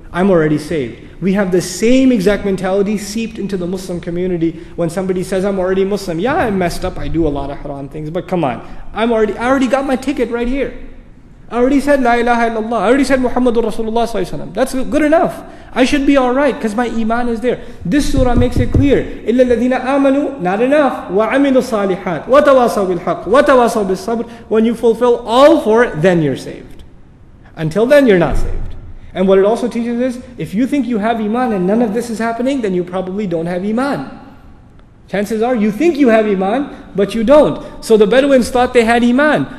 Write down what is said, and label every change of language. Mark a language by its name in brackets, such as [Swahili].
[English] I'm already saved. We have the same exact mentality seeped into the Muslim community when somebody says, I'm already Muslim. Yeah, I messed up. I do a lot of haram things. But come on. I already got my ticket right here. I already said La ilaha illallah. I already said Muhammadur Rasulullah. That's good enough. I should be alright because my iman is there. This surah makes it clear. [Arabic] إِلَّا الَّذِينَ آمَنُوا, [English] not enough. [Arabic] وَعَمِلُوا الصَّالِحَاتِ وَتَوَاصَوْا بِالْحَقِّ وَتَوَاصَوْا بِالصَّبْرِ. [English] When you fulfill all four, then you're saved. Until then, you're not saved. And what it also teaches is, if you think you have iman and none of this is happening, then you probably don't have iman. Chances are, you think you have iman, but you don't. So the Bedouins thought they had iman.